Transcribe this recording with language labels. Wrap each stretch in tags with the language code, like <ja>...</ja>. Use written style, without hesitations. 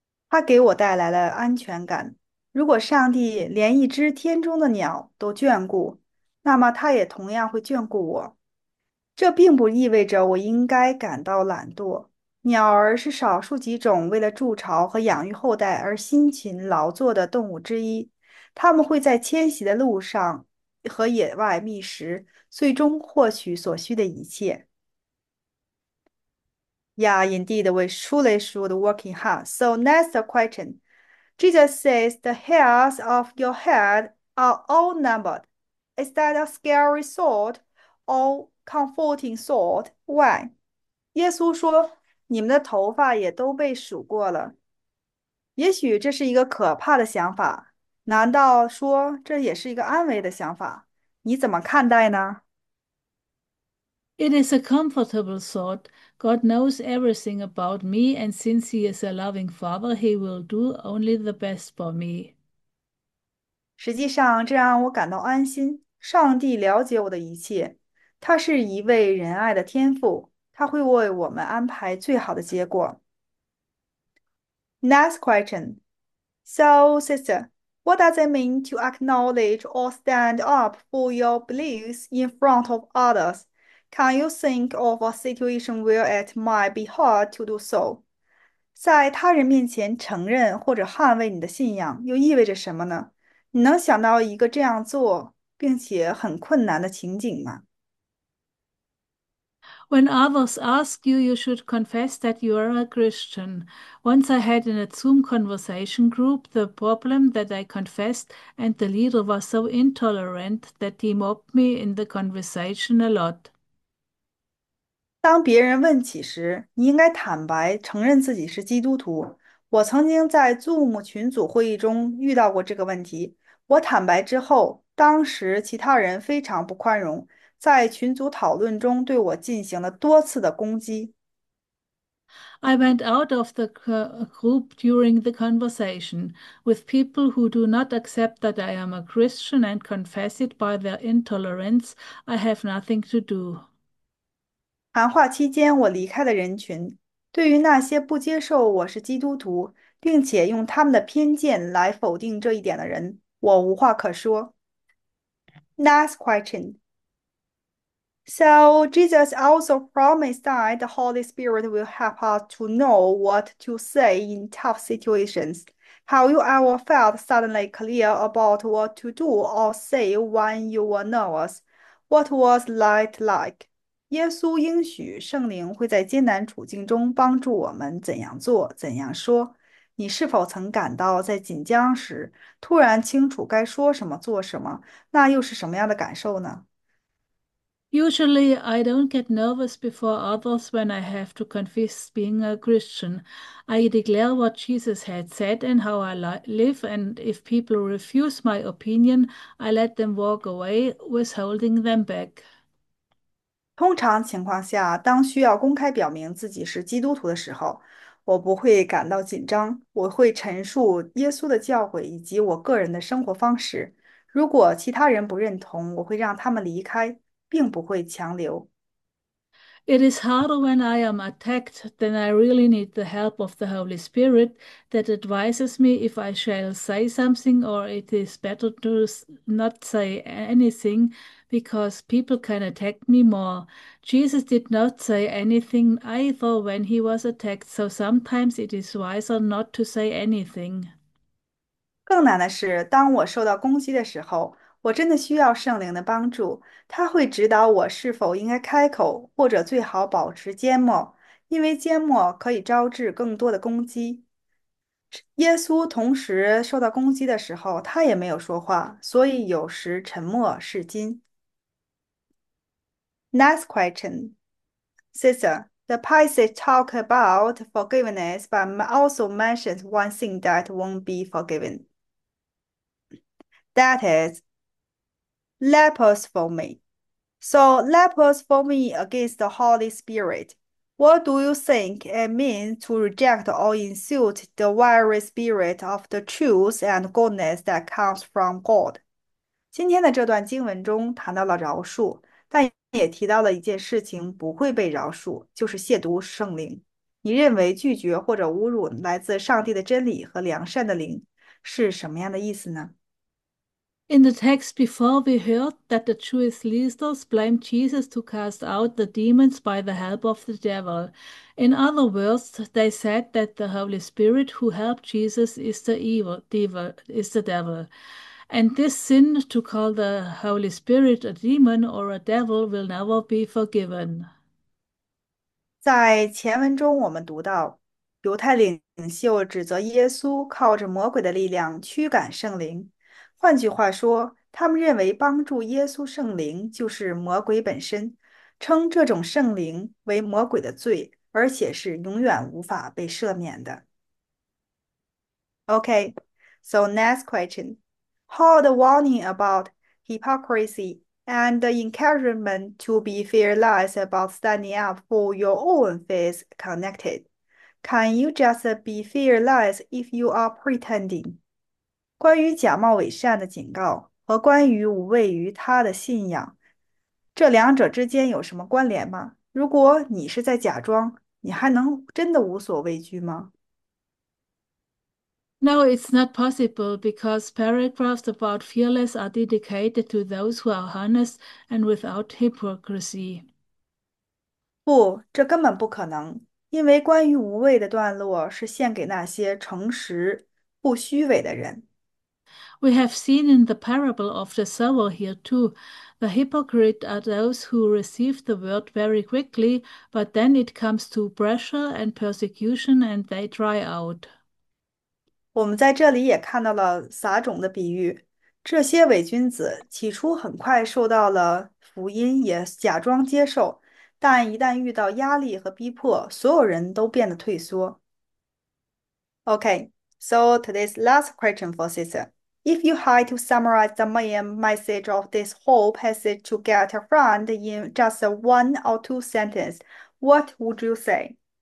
<zh>它给我带来了安全感。如果上帝连一只天中的鸟都眷顾，那么他也同样会眷顾我。这并不意味着我应该感到懒惰。鸟儿是少数几种为了筑巢和养育后代而辛勤劳作的动物之一，它们会在迁徙的路上和野外觅食，最终获取所需的一切。</zh> <en>Yeah, indeed, we truly should work hard. So, next question. Jesus says the hairs of your head are all numbered. Is that a scary thought or comforting thought. Why?</en> <zh>耶稣说：“你们的头发也都被数过了。 ”也许这是一个可怕的想法，难道说这也是一个安慰的想法？你怎么看待呢？</zh> <en>It is a comfortable thought. God knows everything about me, and since He is a loving Father, He will do only the best for me.</en> <zh>实际上，这让我感到安心。上帝了解我的一切，他是一位仁爱的天父，他会为我们安排最好的结果。</zh> <en>Next question. So, sister, what does it mean to acknowledge or stand up for your beliefs in front of others? Can you think of a situation where it might be hard to do so?</en> <zh>在他人面前承认或者捍卫你的信仰，又意味着什么呢？你能想到一个这样做，并且很困难的情景吗？</zh> <en>When others ask you, you should confess that you are a Christian. Once I had in a Zoom conversation group the problem that I confessed, and the leader was so intolerant that he mocked me in the conversation a lot.</en> <zh>当别人问起时，你应该坦白承认自己是基督徒。我曾经在 Zoom 群组会议中遇到过这个问题。我坦白之后，当时其他人非常不宽容，在群组讨论中对我进行了多次的攻击。</zh> <en>I went out of the group during the conversation with people who do not accept that I am a Christian and confess it by their intolerance. I have nothing to do.</en> <zh>谈话期间，我离开了人群。对于那些不接受我是基督徒，并且用他们的偏见来否定这一点的人。我无话可说。</zh> <en>Next question. So Jesus also promised that the Holy Spirit will help us to know what to say in tough situations. Have you ever felt suddenly clear about what to do or say when you were nervous? What was that like?</en> <zh>耶稣应许圣灵会在艰难处境中帮助我们怎样做、怎样说。你是否曾感到在紧张时突然清楚该说什么、做什么？那又是什么样的感受呢？</zh> <en>Usually, I don't get nervous before others when I have to confess being a Christian. I declare what Jesus had said and how I live, and if people refuse my opinion, I let them walk away, withholding them back.</en> <zh>通常情况下，当需要公开表明自己是基督徒的时候。我不会感到紧张，我会陈述耶稣的教诲以及我个人的生活方式。如果其他人不认同，我会让他们离开，并不会强留。</zh> <en>It is harder when I am attacked than I really need the help of the Holy Spirit that advises me if I shall say something or it is better to not say anything because people can attack me more. Jesus did not say anything either when he was attacked, so sometimes it is wiser not to say anything.</en> <zh>更难的是，当我受到攻击的时候，我真的需要圣灵的帮助。他会指导我是否应该开口，或者最好保持缄默，因为缄默可以招致更多的攻击。耶稣同时受到攻击的时候，他也没有说话，所以有时沉默是金。</zh> <en>Next question, sister. The passage talk about forgiveness, but also mentions one thing that won't be forgiven. That is lepers for me. So lepers for me against the Holy Spirit. What do you think it means to reject or insult the very spirit of the truth and goodness that comes from God?</en> <zh>今天的这段经文中谈到了饶恕，但也提到了一件事情不会被饶恕，就是亵渎圣灵。你认为拒绝或者侮辱来自上帝的真理和良善的灵是什么样的意思呢？</zh> <en>In the text before, we heard that the Jewish leaders blamed Jesus to cast out the demons by the help of the devil. In other words, they said that the Holy Spirit who helped Jesus is the devil. And this sin to call the Holy Spirit a demon or a devil will never be forgiven.</en> <zh>在前文中，我们读到，犹太领袖指责耶稣靠着魔鬼的力量驱赶圣灵。换句话说，他们认为帮助耶稣圣灵就是魔鬼本身。称这种圣灵为魔鬼的罪，而且是永远无法被赦免的。</zh> <en>Okay, so next question. How the warning about hypocrisy and the encouragement to be fearless about standing up for your own faith connected? Can you just be fearless if you are pretending?</en> <zh>关于假冒伪善的警告和关于无畏于他的信仰，这两者之间有什么关联吗？如果你是在假装，你还能真的无所畏惧吗？</zh> <en>No, it's not possible because paragraphs about fearless are dedicated to those who are honest and without hypocrisy.</en> <zh>不，这根本不可能，因为关于无畏的段落是献给那些诚实、不虚伪的人。</zh> <en>We have seen in the parable of the sower here too, the hypocrite are those who receive the word very quickly, but then it comes to pressure and persecution and they dry out.</en> <zh>我们在这里也看到了撒种的比喻，这些伪君子起初很快受到了福音，也假装接受。但一旦遇到压力和逼迫，所有人都变得退缩。</zh> <en>Okay, so today's last question for sister. If you had to summarize the main message of this whole passage to get a friend in just one or two sentences, what would you say?</en>